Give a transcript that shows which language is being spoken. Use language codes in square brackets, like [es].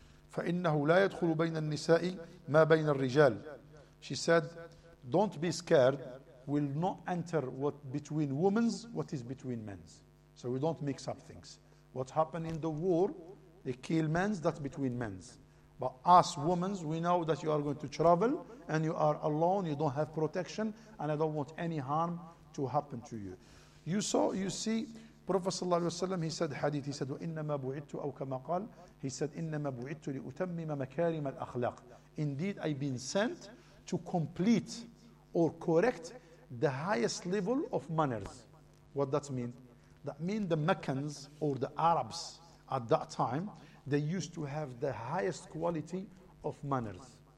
[ar] فإنه لا يدخل بين النساء ما بين الرجال. [en] She said, don't be scared, we'll not enter what between women, what is between men. So we don't mix up things. What happened in the war, they kill men, that's between men. But us women, we know that you are going to travel and you are alone, you don't have protection, and I don't want any harm to happen to you. You see, Prophet صلى الله عليه وسلم, he said hadith, he said, [ar] وإنما بعدت أو كما قال, [en] he said, [ar] إنما بعدت لأتمم مكارم الأخلاق. [en] Indeed, I've been sent to complete or correct the highest level of manners. What that mean? That mean the Meccans or the Arabs at that time, they used to have the highest quality of manners.